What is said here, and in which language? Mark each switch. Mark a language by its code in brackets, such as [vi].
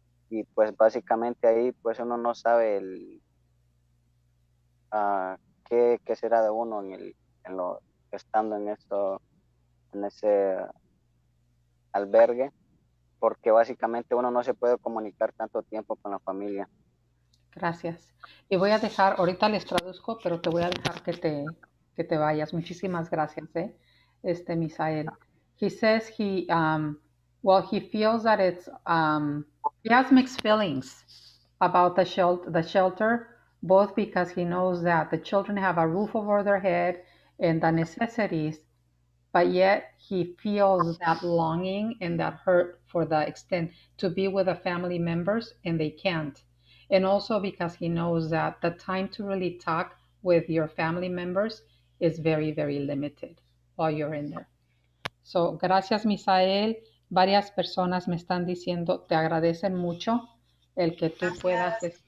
[es] Y pues básicamente ahí, pues uno no sabe qué será de uno estando en ese albergue, porque básicamente uno no se puede comunicar tanto tiempo con la familia. Gracias. Y voy a dejar, ahorita les traduzco, pero te voy a dejar que te vayas. Muchísimas gracias, Misael. [en] He says he feels that it's, he has mixed feelings about the shelter, both because he knows that the children have a roof over their head and the necessities, but yet he feels that longing and that hurt for the extent to be with the family members and they can't. And also because he knows that the time to really talk with your family members is very, very limited while you're in there. So, gracias, Misael. [es] Varias personas me están diciendo, te agradecen mucho el que tú gracias.